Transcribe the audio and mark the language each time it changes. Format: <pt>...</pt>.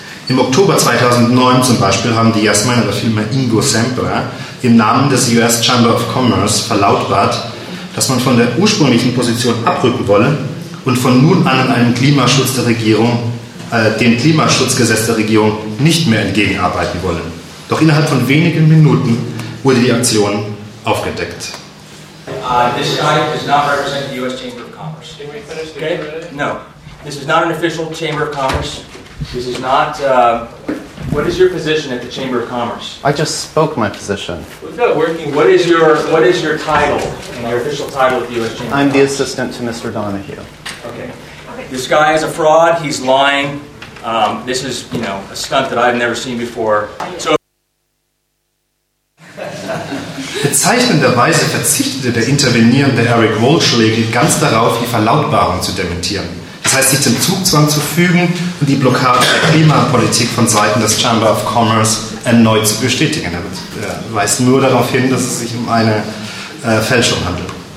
<de>Im Oktober 2009 zum Beispiel haben die Yes-Man oder vielmehr Ingo Sempra im Namen des US Chamber of Commerce verlautbart, dass man von der ursprünglichen Position abrücken wolle und von nun an einem Klimaschutz der Regierung, dem Klimaschutzgesetz der Regierung nicht mehr entgegenarbeiten wolle. Doch innerhalb von wenigen Minuten wurde die Aktion aufgedeckt.</de> <en>This guy does not represent the U.S. Chamber of Commerce. Can we finish the okay? No. This is not an official Chamber of Commerce. This is not... what is your position at the Chamber of Commerce? I just spoke my position. What is your title and your official title at the U.S. Chamber of Commerce? I'm the assistant to Mr. Donahue. Okay. This guy is a fraud. He's lying. This is, you know, a stunt that I've never seen before. So...</en> <de>Bezeichnenderweise verzichtete der intervenierende Eric Walsh lediglich ganz darauf, die Verlautbarung zu dementieren. Das heißt, sich dem Zugzwang zu fügen und die Blockade der Klimapolitik von Seiten des Chamber of Commerce erneut zu bestätigen. Er weist nur darauf hin, dass es sich um eine Fälschung handelt.</de>